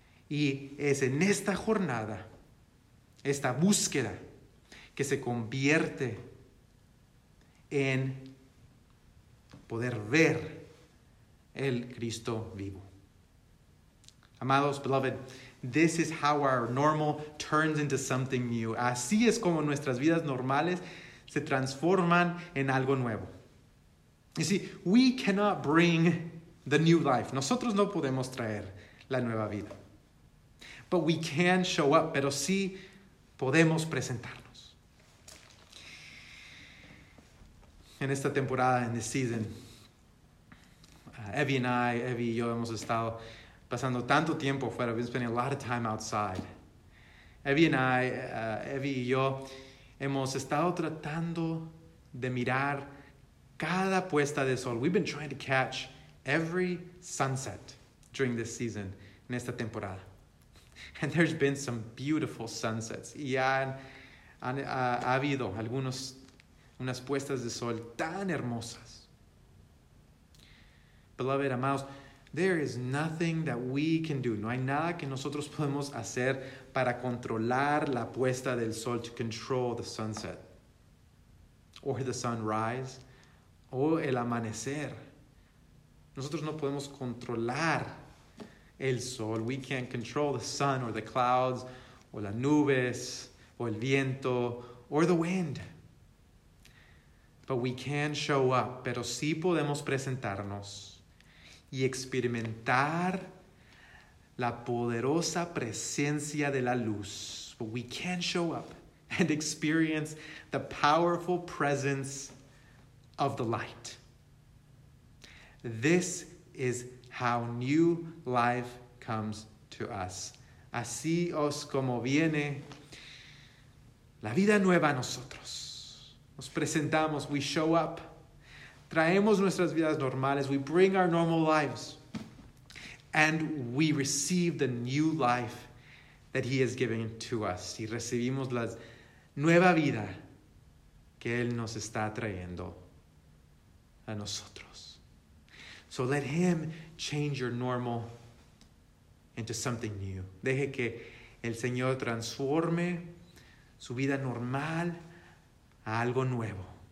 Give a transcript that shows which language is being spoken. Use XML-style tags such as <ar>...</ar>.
<es>Y es en esta jornada, esta búsqueda, que se convierte en poder ver el Cristo vivo.</es> <en>Amados, beloved, this is how our normal turns into something new.</en> <es>Así es como nuestras vidas normales se transforman en algo nuevo.</es> <en>You see, we cannot bring the new life.</en> <es>Nosotros no podemos traer la nueva vida.</es> <en>But we can show up,</en> <es>pero sí podemos presentarnos. En esta temporada, en</es> <en>this season,</en> <es>Evie y yo hemos estado pasando tanto tiempo afuera.</es> <en>We've been spending a lot of time outside.</en> <es>Evie y yo hemos estado tratando de mirar cada puesta de sol.</es> <en>We've been trying to catch every sunset during this season,</en> <es>en esta temporada.</es> <en>And there's been some beautiful sunsets.</en> <es>Y ha habido algunos, unas puestas de sol tan hermosas.</es> <en>Beloved, amados, there is nothing that we can do.</en> <es>No hay nada que nosotros podemos hacer para controlar la puesta del sol,</es> <en>to control the sunset, or the sunrise,</en> <es>o el amanecer. Nosotros no podemos controlar el sol.</es> <en>We can't control the sun or the clouds,</en> <es>o las nubes, o el viento,</es> <en>or the wind. But we can show up.</en> <es>Pero sí podemos presentarnos y experimentar la poderosa presencia de la luz.</es> <en>But we can show up and experience the powerful presence of the light. This is how new life comes to us.</en> <es>Así os como viene la vida nueva a nosotros. Nos presentamos,</es> <en>we show up.</en> <es>Traemos nuestras vidas normales,</es> <en>we bring our normal lives. And we receive the new life that he has given to us.</en> <es>Y recibimos la nueva vida que él nos está trayendo a nosotros.</es> <en>So let him change your normal into something new.</en> <es>Deje que el Señor transforme su vida normal a algo nuevo.</es>